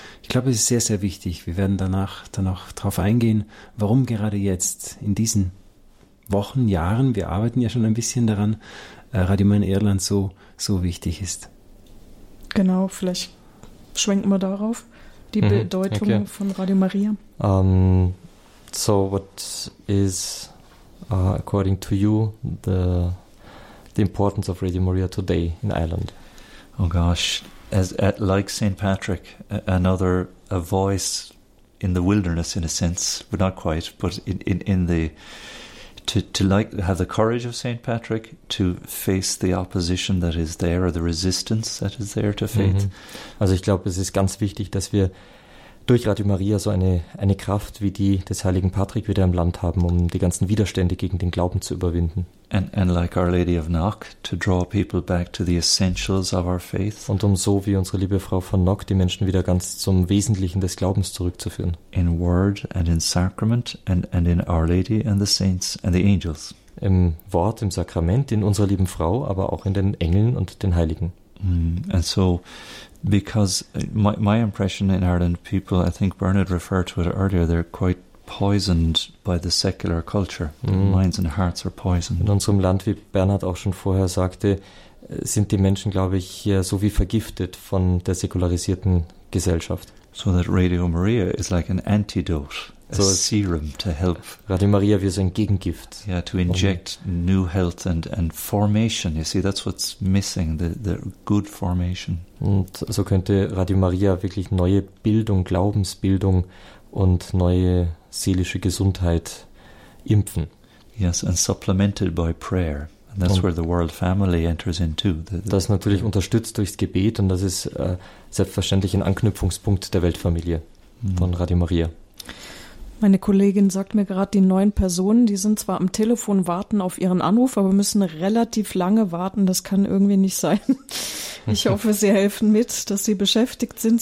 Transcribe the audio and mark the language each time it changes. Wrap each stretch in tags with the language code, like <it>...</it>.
<de>Ich glaube, es ist sehr, sehr wichtig. Wir werden danach dann auch darauf eingehen, warum gerade jetzt in diesen Wochen, Jahren, wir arbeiten ja schon ein bisschen daran, Radio Maria Irland so wichtig ist. Genau, vielleicht schwenken wir darauf, die Bedeutung von Radio Maria.</de> <en>So what is, according to you, the importance of Radio Maria today in Ireland? Oh gosh, like St. Patrick, a voice in the wilderness, in a sense, but not quite, but in the to like have the courage of St. Patrick to face the opposition that is there, or the resistance that is there to faith.</en> <de>Also ich glaube, es ist ganz wichtig, dass wir durch Radio Maria so eine Kraft wie die des heiligen Patrick wieder im Land haben, um die ganzen Widerstände gegen den Glauben zu überwinden.</de> <en>And like Our Lady of Knock, to draw people back to the essentials of our faith.</en> <de>Und um so wie unsere liebe Frau von Knock die Menschen wieder ganz zum Wesentlichen des Glaubens zurückzuführen.</de> <en>In word and in sacrament and in Our Lady and the saints and the angels.</en> <de>Im Wort, im Sakrament, in unserer lieben Frau, aber auch in den Engeln und den Heiligen.</de> <en>And so, because my impression in Ireland, people, I think Bernard referred to it earlier, they're quite poisoned by the secular culture. Minds and hearts are poisoned.</en> <de>In unserem Land, wie Bernhard auch schon vorher sagte, sind die Menschen, glaube ich, so wie vergiftet von der säkularisierten Gesellschaft.</de> <en>So that Radio Maria is like an antidote, so a serum to help.</en> <de>Radio Maria wie so ein Gegengift.</de> <en>Yeah, to inject new health and formation. You see, that's what's missing, the good formation.</en> <de>Und so könnte Radio Maria wirklich neue Bildung, Glaubensbildung und neue seelische Gesundheit impfen.</de> <en>Yes, and supplemented by prayer. And that's where the World Family enters in too.</en> <de>Das ist natürlich unterstützt durchs Gebet, und das ist selbstverständlich ein Anknüpfungspunkt der Weltfamilie von Radio Maria. Meine Kollegin sagt mir gerade, die neun Personen, die sind zwar am Telefon, warten auf ihren Anruf, aber müssen relativ lange warten. Das kann irgendwie nicht sein. Ich hoffe, sie helfen mit, dass sie beschäftigt sind.</de>